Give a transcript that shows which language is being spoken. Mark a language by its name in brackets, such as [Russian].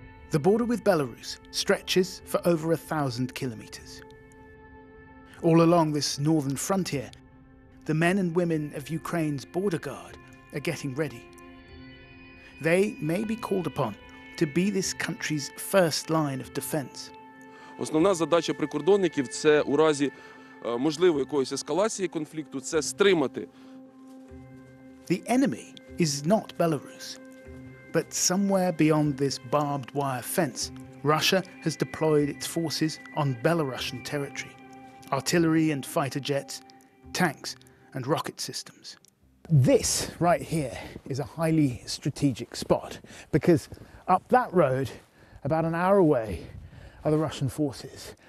[English] The border with Belarus stretches for over 1,000 kilometers. All along this northern frontier, the men and women of Ukraine's border guard are getting ready. They may be called upon to be this country's first line of defense. [Ukrainian] Основна задача прикордонників – це у разі можливої якоїсь ескалації конфлікту – це стримати. [English] The enemy is not Belarus. But somewhere beyond this barbed wire fence, Russia has deployed its forces on Belarusian territory. Artillery and fighter jets, tanks and rocket systems. This right here is a highly strategic spot because up that road, about an hour away, are the Russian forces.